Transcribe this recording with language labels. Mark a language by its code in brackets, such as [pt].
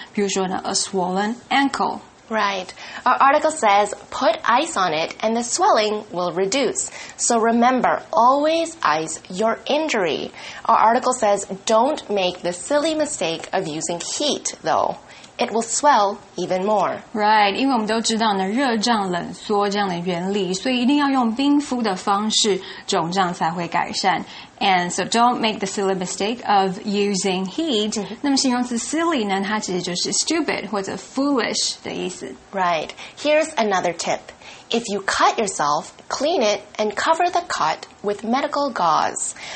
[zh] 比如说呢 ， [en] a swollen ankle。 Right. Our article says, put ice on it and the swelling will reduce. So remember, always ice your injury. Our article says, don't make the silly mistake of using heat, though. It will swell even more. Right. [zh] 因为我们都知道呢，热胀冷缩这样的原理，所以一定要用冰敷的方式，肿胀才会改善。 [en] And so don't make the silly mistake of using heat. [zh] 那么形容词 silly 呢，它其实就是 stupid 或者 foolish 的意思。 [en] Right. Here's another tip. If you cut yourself, clean it and cover the cut with medical gauze.